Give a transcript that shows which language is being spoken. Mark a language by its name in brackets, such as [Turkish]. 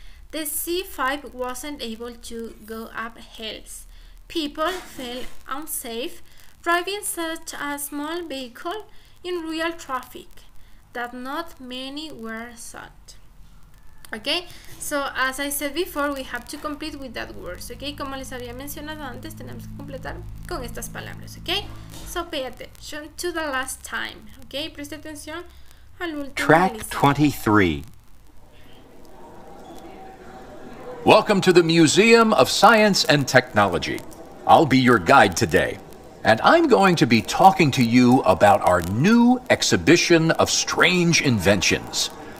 [English] The C5 wasn't able to go up hills. People felt unsafe driving such a small vehicle in real traffic that not many were sought. Okay, so as I said before, we have to complete with that words, okay? [Spanish] Como les había mencionado antes, tenemos que completar con estas palabras, okay? [English] So pay attention to the last time, okay? [Spanish] Preste atención al último. [English] Track 23. Welcome to the Museum of Science and Technology. I'll be your guide today, and I'm going to be talking to you about our new exhibition of strange inventions.